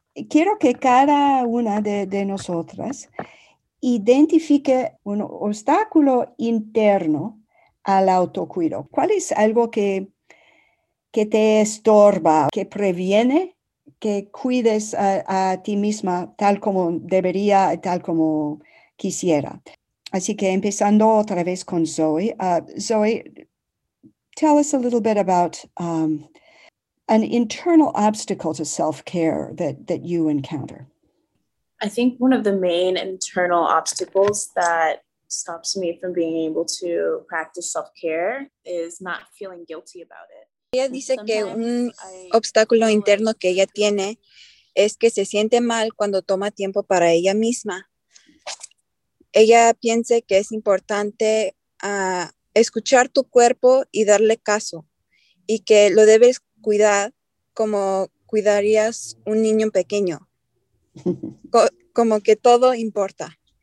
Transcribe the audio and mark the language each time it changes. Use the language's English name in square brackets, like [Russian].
[Spanish] Quiero que cada una de nosotras identifique un obstáculo interno al autocuido. ¿Cuál es algo que te estorba, que previene que cuides a ti misma tal como debería, tal como quisiera? Así que empezando otra vez con Zoe. [English] Zoe, tell us a little bit about an internal obstacle to self-care that you encounter. I think one of the main internal obstacles that stops me from being able to practice self-care is not feeling guilty about it. [Spanish] Ella dice que un obstáculo interno que ella tiene es que se siente mal cuando toma tiempo para ella misma. ella piense que es importante escuchar tu cuerpo y darle caso, y que lo debes cuidar como cuidarías un niño pequeño, como que todo importa.